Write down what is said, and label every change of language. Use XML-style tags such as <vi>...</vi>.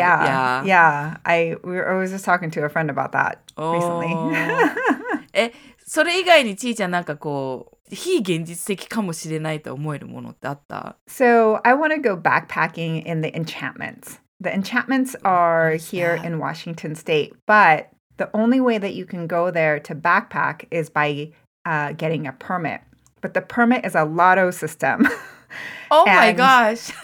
<en>I was just talking to a friend about that recently.</en> <ja>え、それ以外にちーちゃんなんかこう非現実的かもしれないと思えるものってあった？</ja> <en>So I want to go backpacking in the enchantments. The enchantments are here in Washington State, but the only way that you can go there to backpack is by getting a permit. But the permit is a lotto system. Oh my gosh.</en>